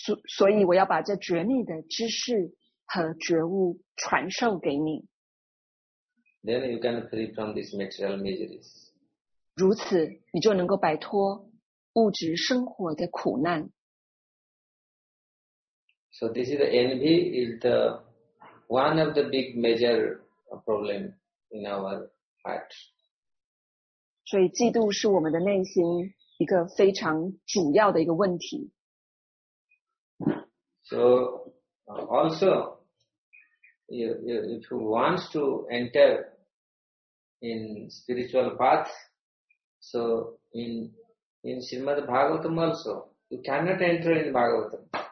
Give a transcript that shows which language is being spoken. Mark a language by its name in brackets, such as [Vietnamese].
[Chinese] 所以我要把这绝密的知识和觉悟传授给你。 [English] Then you can free from these material miseries. [Chinese] 如此你就能够摆脱物质生活的苦难。 [English] So this is the envy is the one of the big major problem in our heart. [Chinese] 所以嫉妒是我们的内心一个非常主要的一个问题。 [English] So, also, if you want to enter in spiritual path, so in Srimad Bhagavatam also, you cannot enter in Bhagavatam.